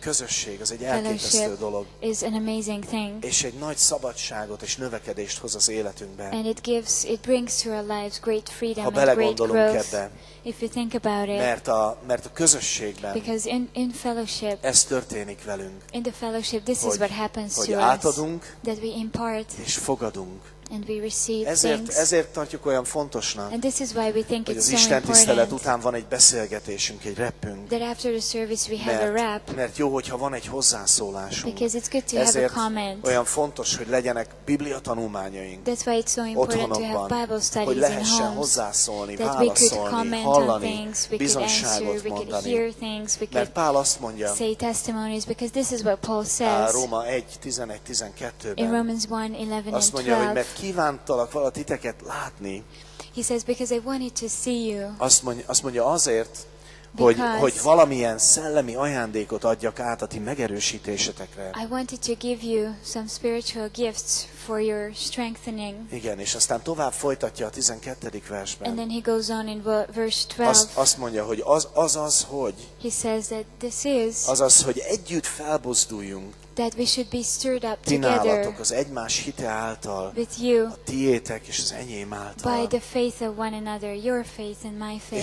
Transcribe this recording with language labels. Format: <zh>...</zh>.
<hu>Közösség, az egy elképesztő dolog.</hu> <en>Is an amazing thing.</en> <hu>És egy nagy szabadságot és növekedést hoz az életünkben.</hu> <en>And it brings to our lives great freedom and great growth.</en> <hu>Ha belegondolunk ebbe.</hu> <en>If you think about it.</en> <hu>Mert a közösségben.</hu> <en>Because in fellowship.</en> <hu>Ez történik velünk.</hu> <en>In the fellowship, this is what happens to us.</en> <hu>Hogy átadunk.</hu> <en>That we impart.</en> <hu>És fogadunk.</hu> <en>And we receive</en> <hu>ezért tartjuk olyan fontosnak,</hu> <en>and this is why we think</en> <hu>hogy</hu> <en>it's</en> <hu>az Isten</hu> <en>so</en> <hu>tisztelet után van egy beszélgetésünk, egy repünk,</hu> <en>that after the service we have a rap,</en> <hu>mert jó, hogyha van egy hozzászólásunk,</hu> <en>because it's good to</en> <hu>ezért</hu> <en>have a comment.</en> <hu>Olyan fontos, hogy legyenek Biblia tanulmányaink,</hu> <en>that's why it's so important to have Bible studies,</en> <hu>hogy lehessen hozzászólni,</hu> <en>that</en> <hu>válaszolni,</hu> <en>we could comment</en> <hu>hallani,</hu> <en>on things, we</en> <hu>bizonyságot</hu> <en>could answer,</en> <hu>mondani,</hu> <en>we could hear things, we</en> <hu>mert Pál azt mondja,</hu> <en>say testimonies, because this is what Paul says.</en> <hu>Róma 1:11-12-ben</hu> <en>in Romans 1:11</en> <hu>azt mondja, hogy mert kívántalak valatiteket látni.</hu> <en>He says because I wanted to see you.</en> <hu>Azt mondja azért, hogy valamilyen szellemi ajándékot adjak át a ti megerősítésetekre.</hu> <en>I wanted to give you some spiritual gifts for your strengthening.</en> <hu>Igen, és aztán tovább folytatja a 12. versben.</hu> <en>And then he goes on in verse 12.</en> <hu>Azt mondja, hogy az hogy.</hu> <en>He says that this is.</en> <hu>Azaz, hogy együtt felbuzduljunk.</hu> <en>That we should be stirred up</en> <hu>ti</hu> <en>together.</en> <hu>Nálatok az egymás hite által.</hu> <en>With you.</en> <hu>A tiétek és az enyém által.</hu> <en>By the faith of one another, your faith and my faith.</en>